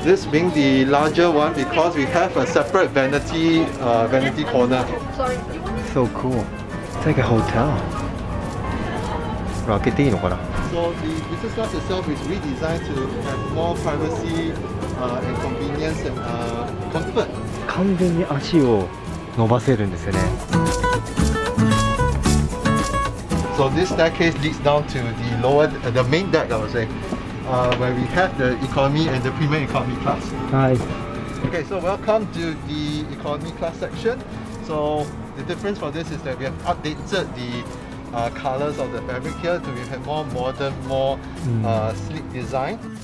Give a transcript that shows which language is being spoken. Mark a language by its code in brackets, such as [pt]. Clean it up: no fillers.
[en] This being the larger one because we have a separate vanity corner. So cool. It's like a hotel. Rocket in, or? So the business class itself is redesigned to have more privacy and convenience and comfort. [ja] 完全に足を伸ばせるんですよね。 [en] So this staircase leads down to the lower, the main deck, I would say. Where we have the economy and the premium economy class. Hi. Okay, so welcome to the economy class section. So the difference for this is that we have updated the colors of the fabric here to have more modern, more sleek design.